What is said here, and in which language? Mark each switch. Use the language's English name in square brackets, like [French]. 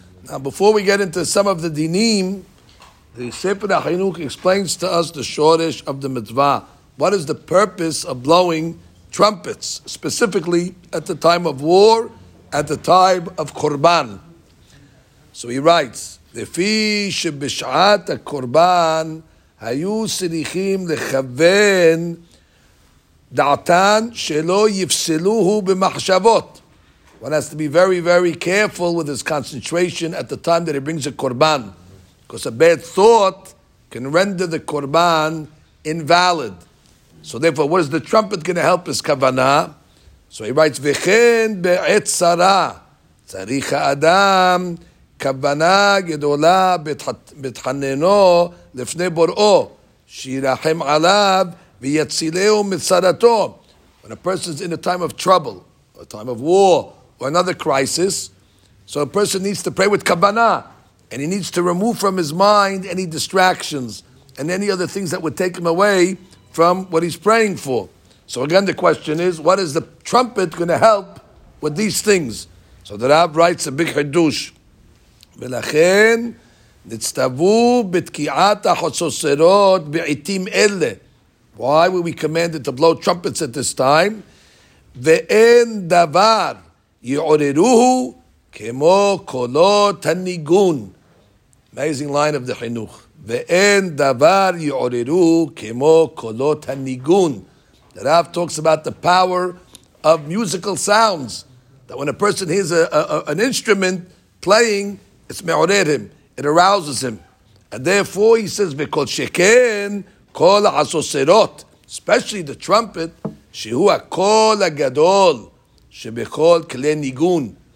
[English] Now, before we get into some of the dinim, the Sefer HaChinuch explains to us the shoresh of the mitzvah. What is the purpose of blowing trumpets, specifically at the time of war, at the time of Korban? So he writes, [Hebrew] "Lefi shebishat haKorban." היו צריכים לכוון דעתן שלא יפסלוהו במחשבות. [English] One has to be very, very careful with his concentration at the time that he brings a korban. Because a bad thought can render the korban invalid. So therefore, what is the trumpet going to help his kavana? So he writes, [Hebrew] וכן בעת צרה צריך האדם כוונה גדולה בתחננו לפני בוראו, שירחם עליו ויצילהו מצרתו. [English] When a person is in a time of trouble, a time of war, or another crisis, so a person needs to pray with kavana, and he needs to remove from his mind any distractions and any other things that would take him away from what he's praying for. So again, the question is, what is the trumpet going to help with these things? So the Rav writes a big chiddush. [Hebrew] ולכן נצטבו בתקיעת החצוצרות בעיתים אלה. [English] Why were we commanded to blow trumpets at this time? [Hebrew] ואין דבר יעוררוהו כמו קולות הניגון. [English] Amazing line of the [Hebrew] חינוך. ואין דבר יעוררוהו כמו קולות הניגון. [English] The Rav talks about the power of musical sounds. That when a person hears an instrument playing, it's me'orer him. It arouses him. And therefore, he says, [Hebrew] v'kol sheken kol ha'asoserot, [English] especially the trumpet, [Hebrew] shehu ha'kol ha'gadol, shebekol kle nigun.